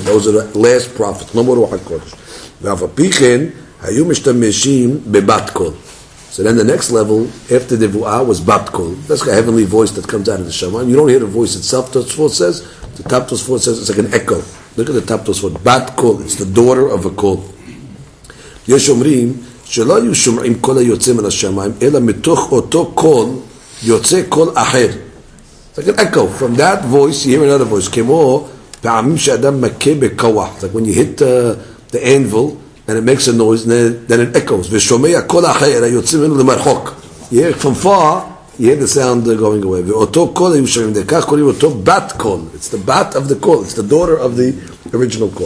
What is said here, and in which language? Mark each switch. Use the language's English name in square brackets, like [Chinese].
[English] Those are the last prophets. No more Ruach HaKodesh. V'afapichen, Hayu Mishtameshim, Bebatkol. So then the next level, after the Vu'ah, was Batkol. That's a heavenly voice that comes out of the Shaman. You don't hear the voice itself, Tosfot says. The Tosfot says it's like an echo. Look at the Tosfot. Batkol. It's the daughter of a kol. [Hebrew] Yesh Omrim, שלא היו שומעים כל היוצא מן השמיים, אלא מתוך אותו קול, יוצא קול אחר. [English] It's like an echo. From that voice, you hear another voice. It's like when you hit the anvil and it makes a noise, then it echoes. You hear it from far, you hear the sound going away. It's the bat of the call. It's the daughter of the original call.